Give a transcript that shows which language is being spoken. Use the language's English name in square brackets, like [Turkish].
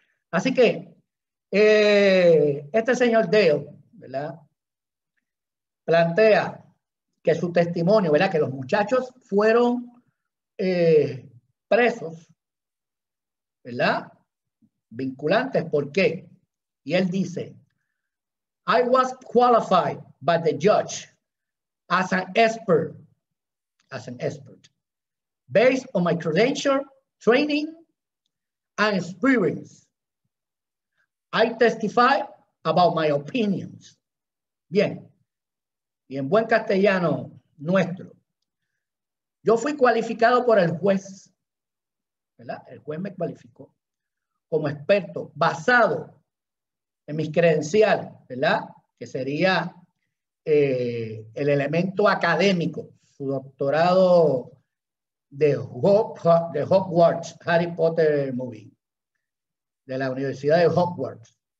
[Spanish] Así que, este señor Dale, ¿verdad? Plantea que su testimonio, ¿verdad? Que los muchachos fueron presos, ¿verdad? Vinculantes, ¿por qué? Y él dice, [English] I was qualified by the judge as an expert, based on my credential, training, and experience. I testify about my opinions. [Spanish] Bien. Y en buen castellano nuestro. Yo fui cualificado por el juez, ¿verdad? El juez me cualificó como experto basado en mis credenciales, ¿verdad? Que sería el elemento académico, su doctorado de Hogwarts, Harry Potter movie, de la Universidad de Hogwarts.